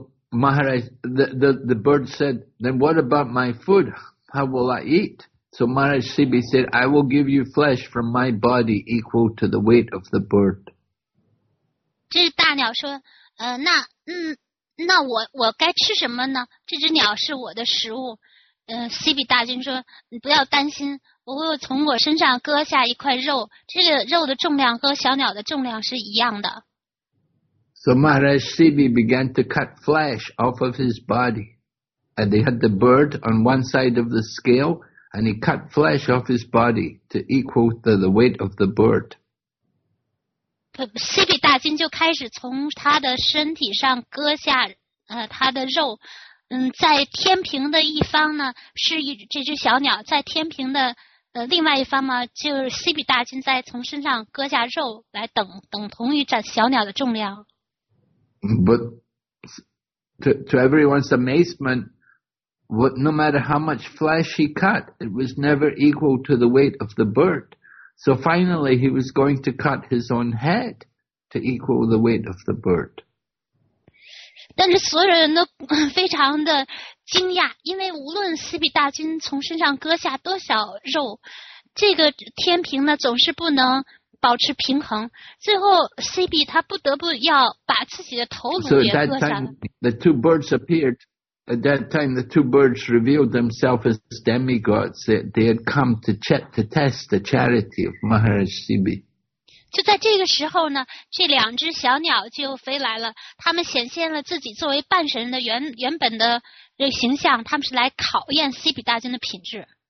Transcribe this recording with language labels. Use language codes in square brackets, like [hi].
[en] Maharaj, the bird said, "Then what about my food? How will I eat?" So Maharaj Sibi said, "I will give you flesh from my body equal to the weight of the bird." [zh] 这只大鸟说，那我该吃什么呢？这只鸟是我的食物。Sibi 大君说，你不要担心，我会从我身上割下一块肉，这个肉的重量和小鸟的重量是一样的。 [en] So Maharaj Sibi began to cut flesh off of his body. And they had the bird on one side of the scale, and he cut flesh off his body to equal the weight of the bird. [zh] Sibi 大君就开始从他的身体上割下他的肉。在天平的一方呢是这只小鸟，在天平的另外一方呢就是 Sibi 大君在从身上割下肉来等同于小鸟的重量。 [en] But to everyone's amazement, no matter how much flesh he cut, it was never equal to the weight of the bird. So finally, he was going to cut his own head to equal the weight of the bird. [zh] 但是所有人都非常的惊讶，因为无论斯比大军从身上割下多少肉，这个天平呢总是不能。保持平衡，最后 CB 他不得不要把自己的头颅也割下来。 [en] So at that time, the two birds appeared. At that time, the two birds revealed themselves as demigods. They had come to test the charity of Maharaj CB. [zh] 就在这个时候呢，这两只小鸟就飞来了，他们显现了自己作为半神的原本的形象，他们是来考验 CB 大君的品质。